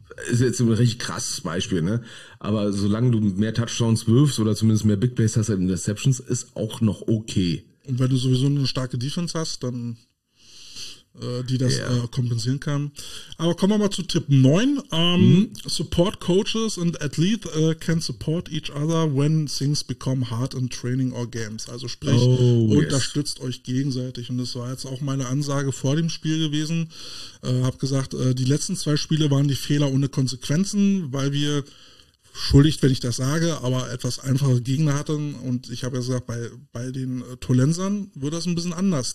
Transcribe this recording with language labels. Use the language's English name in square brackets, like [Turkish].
[German] Ist jetzt ein richtig krasses Beispiel, ne? Aber solange du mehr Touchdowns wirfst oder zumindest mehr Big Plays hast als Interceptions, ist auch noch okay. Und wenn du sowieso eine starke Defense hast, dann die das Ja. kompensieren kann. Aber kommen wir mal zu Tipp 9. [English] Support Coaches and Athletes can support each other when things become hard in training or games. [German] Also sprich, [English] Oh, yes. [German] unterstützt euch gegenseitig. Und das war jetzt auch meine Ansage vor dem Spiel gewesen. Hab gesagt, die letzten zwei Spiele waren die Fehler ohne Konsequenzen, weil wir, schuldigt, wenn ich das sage, aber etwas einfache Gegner hatten. Und ich habe ja gesagt, bei den Tolensern wird das ein bisschen anders.